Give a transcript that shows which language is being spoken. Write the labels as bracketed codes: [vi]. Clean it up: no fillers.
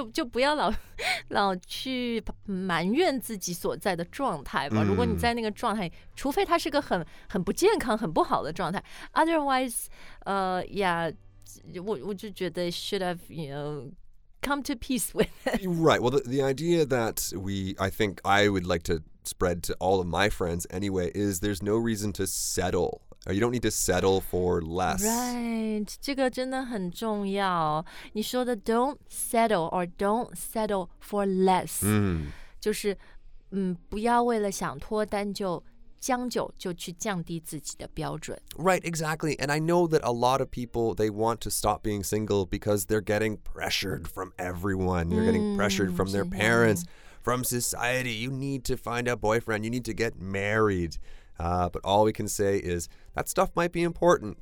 [zh] 就不要老去埋怨自己所在的状态吧。如果你在那个状态，除非它是个很不健康、很不好的状态。 [en] Otherwise, yeah, [zh] 我就觉得 [en] should have, you know, come to peace with it. Right. Well, the idea that I think I would like to spread to all of my friends anyway is there's no reason to settle. You don't need to settle for less. [zh] Right. 这个真的很重要。你说的 [en] don't settle or don't settle for less. [zh] 就是不要为了想脱单就将就就去降低自己的标准。 [en] Right, exactly. And I know that a lot of people, they want to stop being single because they're getting pressured from everyone. They're getting pressured from their parents, from society. You need to find a boyfriend. You need to get married. But all we can say is that stuff might be important.